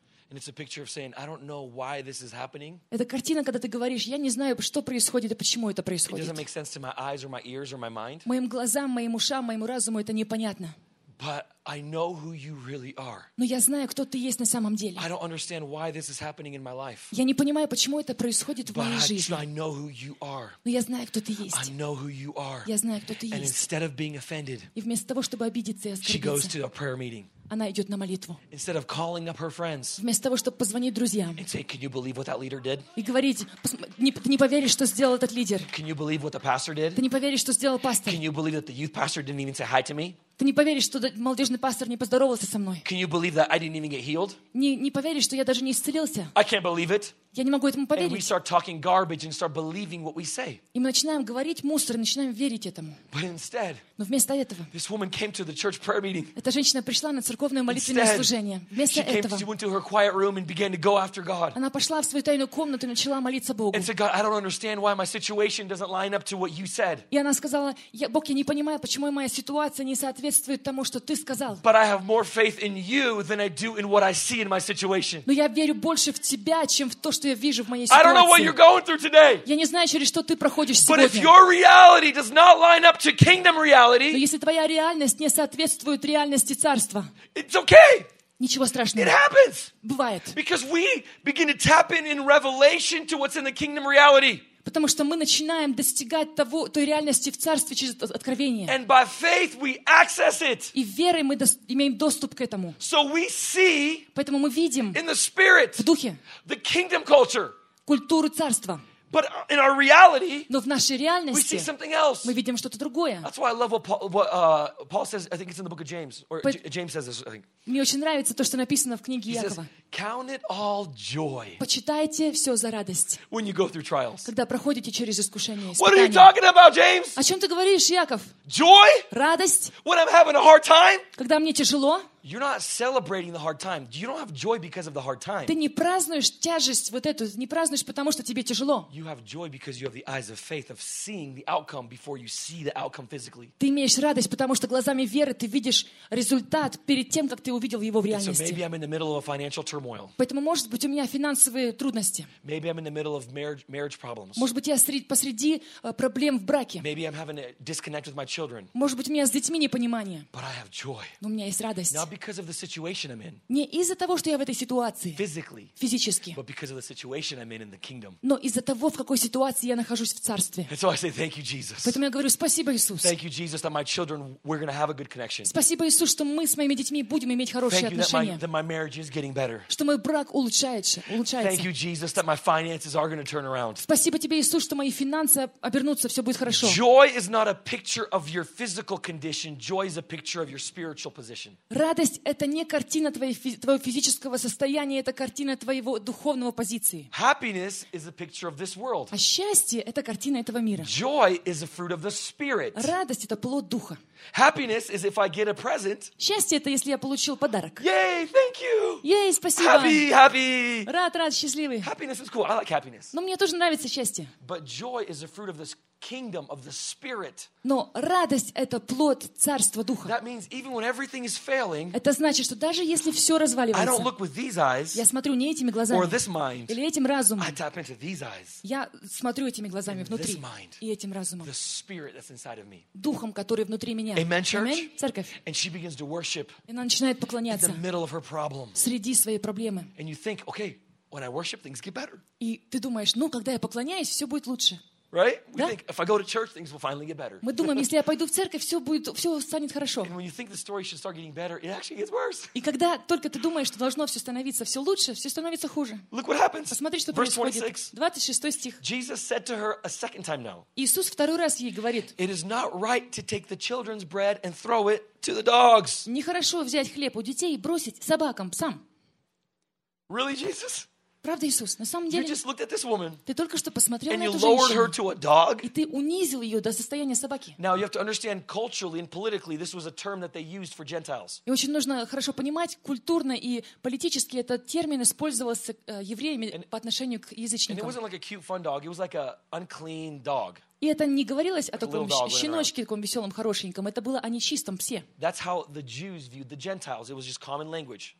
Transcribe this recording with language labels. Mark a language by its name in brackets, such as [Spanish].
[English] And it's a picture of saying, I don't know why this is happening. [Russian] Это картина, когда ты говоришь, я не знаю, что происходит и почему это происходит. [English] It doesn't make sense to my eyes or my ears or my mind. [Russian] Моим глазам, моим ушам, моему разуму это непонятно. [English] But I know who you really are. [Russian] Но я знаю, кто ты есть на самом деле. [English] I don't understand why this is happening in my life. [Russian] Я не понимаю, почему это происходит в моей жизни. [English] But I know who you are. [Russian] Но я знаю, кто ты есть. [English] I know who you are. [Russian] Я знаю, кто ты есть. [English] And instead of being offended, [Russian] и вместо того, чтобы обидеться и оскорбиться, [English] she goes to a prayer meeting. [Russian] Она идет на молитву. [English] Instead of calling up her friends, [Russian] вместо того, чтобы позвонить друзьям, [English] and say, "Can you believe what that leader did?" [Russian] И говорить, не поверишь, что сделал этот лидер. [English] Can you believe what the pastor did? [Russian] Ты не поверишь, что сделал пастор. [English] Can you believe that the youth pastor didn't even say hi to me? [Russian] Ты не поверишь, что молодежный пастор не поздоровался со мной. [English] Can you believe that I didn't even get healed? [Russian] Не поверишь, что я даже не исцелился. [English] I can't believe it. [Russian] Я не могу этому поверить. [English] And we start talking garbage and start believing what we say. [Russian] И мы начинаем говорить мусор, начинаем верить этому. [English] But instead, [Russian] но вместо этого, [English] this woman came to the church prayer meeting. [Russian] Эта женщина пришла на церковное молитвенное служение. Вместо этого, [English] she went to her quiet room and began to go after God. [Russian] Она пошла в свою тайную комнату и начала молиться Богу. [English] And said, God, I don't understand why my situation doesn't line up to what you said. [Russian] И она сказала, Бог, я не понимаю, почему моя ситуация не соответствует соответствует тому, что ты сказал. [English] But I have more faith in you than I do in what I see in my situation. [Russian] Но я верю больше в тебя, чем в то, что я вижу в моей ситуации. [English] I don't know what you're going through today. [Russian] Я не знаю, через что ты проходишь [English] But [Russian] сегодня. [English] But if your reality does not line up to kingdom reality, [Russian] но если твоя реальность не соответствует реальности царства, [English] it's okay. [Russian] Ничего страшного. [English] It happens. [Russian] Бывает. [English] Because we begin to tap in revelation to what's in the kingdom reality. [Russian] Потому что мы начинаем достигать того, той реальности в царстве через откровение. [English] And by faith we access it. [Russian] И верой мы имеем доступ к этому. [English] So we see. [Russian] Поэтому мы видим. [English] In the spirit. [Russian] В духе. [English] The kingdom culture. [Russian] Культуру царства. [English] But in our reality. [Russian] Но в нашей реальности. [English] We see something else. [Russian] Мы видим что-то другое. [English] That's why I love what Paul says. I think it's in the book of James, or James says this. I think. [Russian] Мне очень нравится то, что написано в книге [English] He [Russian] Якова. [English] Says, Count it all joy. [Russian] Почитайте все за радость. [English] When you go through trials. [Russian] Когда проходите через искушения и испытания. [English] What are you talking about, James? [Russian] О чем ты говоришь, Яков? [English] Joy? [Russian] Радость? [English] When I'm having a hard time? [Russian] Когда мне тяжело? [English] You're not celebrating the hard time. You don't have joy because of the hard time. [Russian] Ты не празднуешь тяжесть вот эту, не празднуешь потому что тебе тяжело. [English] You have joy because you have the eyes of faith of seeing the outcome before you see the outcome physically. [Russian] Ты имеешь радость потому что глазами веры ты видишь результат перед тем как ты увидел его в реальности. [English] And so maybe I'm in the middle of a financial turmoil. [Russian] Поэтому может быть у меня финансовые трудности. [English] Maybe I'm in the middle of marriage problems. [Russian] Может быть я посреди проблем в браке. [English] Maybe I'm having a disconnect with my children. [Russian] Может быть у меня с детьми непонимание. [English] But I have joy. [Russian] Но у меня есть радость. [English] Not because of the situation I'm in. [Russian] Не из-за того, что я в этой ситуации. [English] Physically. [Russian] Физически. [English] But because of the situation I'm in the kingdom. [Russian] Но из-за того, в какой ситуации я нахожусь в царстве. [English] And so I say thank you, Jesus. [Russian] Поэтому я говорю спасибо, Иисус. [English] Thank you, Jesus, that my children we're gonna have a good connection. [Russian] Спасибо, Иисус, что мы с моими детьми будем иметь хорошие отношения. [English] Thank you that my marriage is getting better. [Russian] Что мой брак улучшается. [English] Thank you, Jesus, that my finances are gonna turn around. [Russian] Спасибо тебе, Иисус, что мои финансы обернутся, все будет хорошо. [English] Joy is not a picture of your physical condition. Joy is a picture of your spiritual position. [Russian] Радость — это не картина твоего физического состояния, это картина твоего духовного позиции. [English] Happiness is a picture of this world. [Russian] А счастье — это картина этого мира. [English] Joy is a fruit of the spirit. [Russian] Радость — это плод духа. [English] Happiness is if I get a present. [Russian] Счастье — это если я получил подарок. [English] Yay, thank you. [Russian] Yay, спасибо. [English] Happy, happy. [Russian] Рад, счастливый. [English] Happiness is cool. I like happiness. [Russian] Но мне тоже нравится счастье. [English] But joy is a fruit of this kingdom of the spirit. [Russian] Но радость — это плод царства духа. [English] That means even when everything is failing. [Russian] Это значит, что даже если все разваливается. [English] I don't look with these eyes. [Russian] Я смотрю не этими глазами. [English] Or this mind. [Russian] Или этим разумом. [English] I tap into these eyes. [Russian] Я смотрю этими глазами внутри. [English] This mind. [Russian] И этим разумом. [English] The spirit that's inside of me. [Russian] Духом, который внутри меня. [English] Amen, church. Amen, [Russian] церковь. [English] And she begins to worship. [Russian] И она начинает поклоняться. [English] In the middle of her problem. [Russian] Среди своей проблемы. [English] And you think, okay, when I worship, things get better. [Russian] И ты думаешь, ну когда я поклоняюсь, все будет лучше. [English] Right? We [Russian] да? [English] think if I go to church, things will finally get better. [Russian] Мы думаем, если я пойду в церковь, все будет, все станет хорошо. [English] And when you think the story should start getting better, it actually gets worse. [Russian] И когда только ты думаешь, что должно все становиться все лучше, все становится хуже. [English] Look what happens. [Russian] Посмотри, что [English] Verse [Russian] происходит. [English] 26. [Russian] 26 стих. [English] Jesus said to her a second time now. [Russian] Иисус второй раз ей говорит. [English] It is not right to take the children's bread and throw it to the dogs. [Russian] Нехорошо взять хлеб у детей и бросить собакам, псам. [English] Really, Jesus? [Russian] Правда, Иисус, на самом деле, [English] you just looked at this woman, [Russian] ты только что посмотрел на эту женщину, и ты унизил ее до состояния собаки. [English] Now you have to understand culturally and politically, this was a term that they used for Gentiles. [Russian] И очень нужно хорошо понимать, культурно и политически этот термин использовался евреями по отношению к язычникам. [English] And it wasn't like a cute fun dog, it was like a unclean dog. [Russian] И это не говорилось о таком щеночке, таком веселом, хорошеньком. Это было о нечистом псе. [English] That's how the Jews viewed the Gentiles. It was just common language.